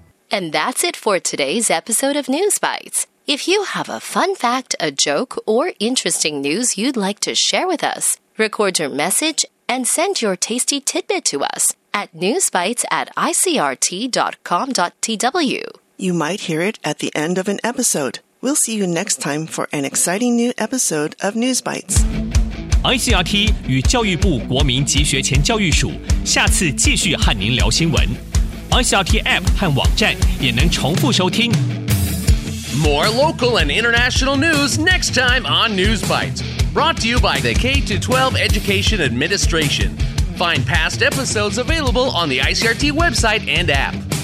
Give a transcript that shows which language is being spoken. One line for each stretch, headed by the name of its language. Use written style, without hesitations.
English: And that's it for today's episode of News Bites. If you have a fun fact, a joke, or interesting news you'd like to share with us, record your message and send your tasty tidbit to us at newsbites@icrt.com.tw. You might hear it at the end of an episode. We'll see you next time for an exciting new episode of News Bites.
Chinese: ICRT 与教育部国民及学前教育署下次继续和您聊新闻。 ICRT App 和网站也能重复收听。
English: More local and international news next time on News Bites. Brought to you by the K-12 Education Administration. Find past episodes available on the ICRT website and app.